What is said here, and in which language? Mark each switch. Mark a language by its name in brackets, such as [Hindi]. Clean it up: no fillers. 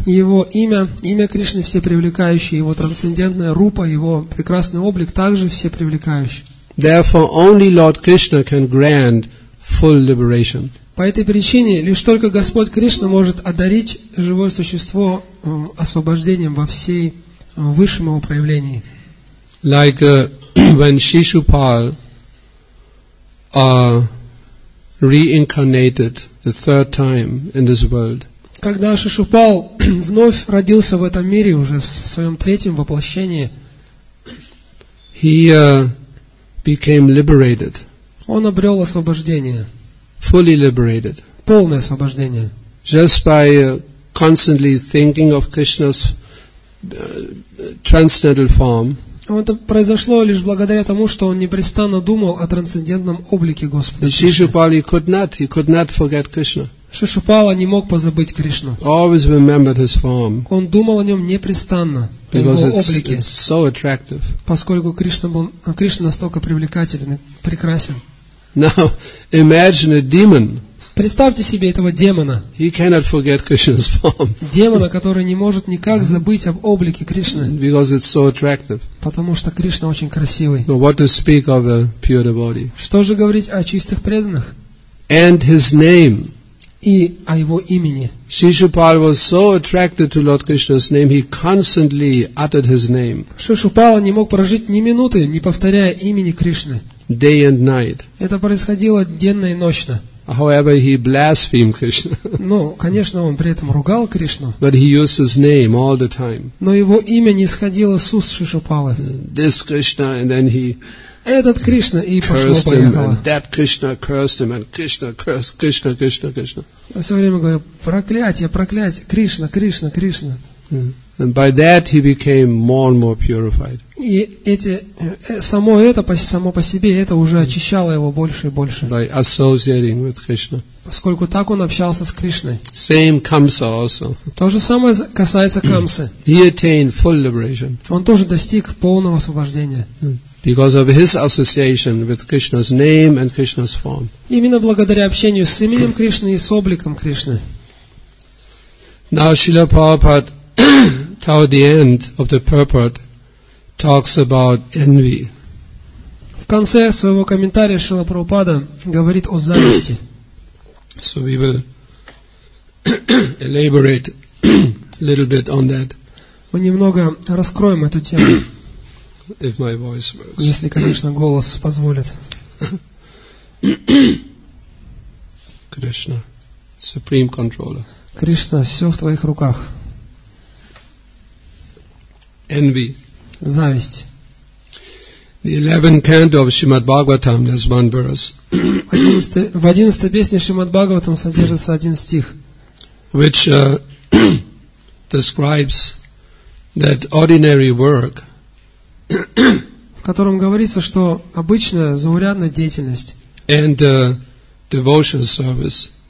[Russian] Его имя, имя Кришны всепривлекающее, его трансцендентная рупа, его прекрасный облик также всепривлекающий. [English] Therefore, only Lord Krishna can grant full liberation. [Russian] По этой причине лишь только Господь Кришна может одарить живое существо освобождением во всей высшем его проявлении. [English] Like when Shishupal reincarnated the third time in this world. [Russian] Когда Шишупал вновь родился в этом мире уже в своем третьем воплощении, [English] he became liberated. [Russian] Он обрел освобождение. [English] Fully liberated. [Russian] Полное освобождение. [English] Just by constantly thinking of Krishna's transcendental form. [Russian] Это произошло лишь благодаря тому, что он непрестанно думал о трансцендентном облике Господа Кришны. [English] Шишупала, he could not forget Krishna. [Russian] Шишупала не мог позабыть Кришну. [English] Always remembered his form. [Russian] Он думал о нем непрестанно, [English] because [Russian] о его облике. [English] It's so attractive. [Russian] Поскольку Кришна настолько привлекателен и прекрасен. [English] Now, imagine a demon. [Russian] Представьте себе этого демона. [English] He cannot forget Krishna's form. [Russian] Демона, который не может никак забыть об облике Кришны. [English] Because it's so attractive. [Russian] Потому что Кришна очень красивый. [English] But what to speak of a pure devotee? [Russian] Что же говорить о чистых преданных? [English] And his name. [Russian] И о его имени. [English] Shishupal was so attracted to Lord Krishna's name, he constantly uttered his name. [Russian] Шишупала не мог прожить ни минуты, не повторяя имени Кришны. [English] Day and night. [Russian] Это происходило денно и ночно. [English] However, he blasphemed Krishna. [Russian] Ну, конечно, он при этом ругал Кришну. [English] But he used his name all the time. [Russian] Но его имя не сходило с уст Шишупалы. [English] This Krishna, and then he [Russian] этот Кришна, и [English] cursed him, and that Krishna cursed him, and Krishna cursed Krishna, Krishna, Krishna. [Russian] Я все время говорю, проклятие, проклятие, Кришна, Кришна, Кришна. [English] And by that he became more and more purified. [Russian] И эти, само это, само по себе, это уже очищало его больше и больше. [English] By associating with Krishna. [Russian] Поскольку так он общался с Кришной. [English] Same Kamsa also. [Russian] То же самое касается Камсы. [English] He attained full liberation. [Russian] Он тоже достиг полного освобождения. [English] Because of his association with Krishna's name and Krishna's form. [Russian] Именно благодаря общению с именем Кришны и с обликом Кришны. [English] Now Srila Prabhupada toward the end of the purport talks about envy. [Russian] В конце своего комментария Шрила Прабхупада говорит о зависти. [English] So we will elaborate a little bit on that. [Russian] Мы немного раскроем эту тему. [English] If my voice works. [Russian] Если, конечно, голос позволит. [English] Krishna, supreme controller. [Russian] Кришна, все в твоих руках. [English] Envy. [Russian] Зависть. [English] The 11th canto of Srimad Bhagavatam, there's one verse. [Russian] В 11-й песне Шримад Бхагаватам содержится один стих. [English] Which describes that ordinary work. [Russian] В котором говорится, что обычная, заурядная деятельность. [English] And devotional service.